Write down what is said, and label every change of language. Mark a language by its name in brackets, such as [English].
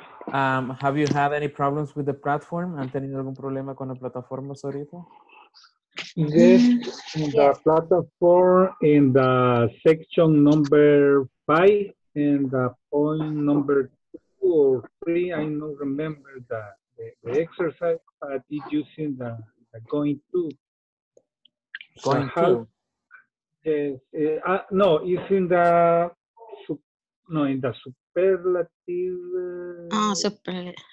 [English] Have you had any problems with the platform? [Spanish] ¿Han tenido algún problema con la plataforma ahorita? [English] Yes, in the platform in the section number 5 and the point number 2 or 3, I don't remember that. The exercise, but it's using the it's in the superlative.